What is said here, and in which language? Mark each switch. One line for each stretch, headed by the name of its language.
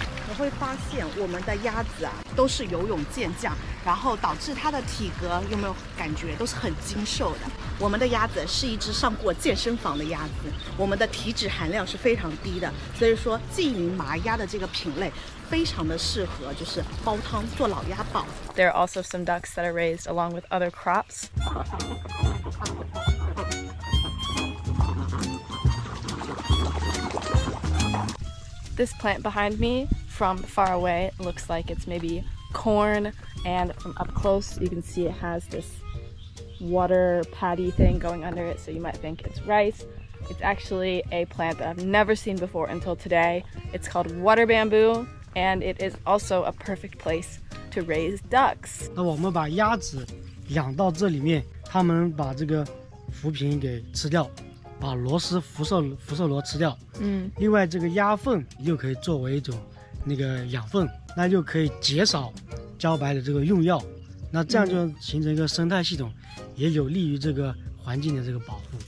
Chinese: 你会发现我们的鸭子啊都是游泳健将，然后导致它的体格有没有感觉都是很精瘦的。我们的鸭子是一只上过健身房的鸭子，我们的体脂含量是非常低的，所以说鲫鱼麻鸭的这个品类非常的适合就是煲汤做老鸭煲。
English: There are also some ducks that are raised along with other crops. This plant behind meFrom far away, it looks like it's maybe corn, and from up close, you can see it has this water paddy thing going under it, so you might think it's rice. It's actually a plant that I've never seen before until today. It's called water bamboo, and it is also a perfect place to raise ducks.
Chinese: 那我们把鸭子养到这里面，他们把这个浮萍给吃掉。把螺丝辐射螺吃掉。另外这个鸭粪又可以作为一种那个养分，那就可以减少茭白的这个用药，那这样就形成一个生态系统，也有利于这个环境的这个保护。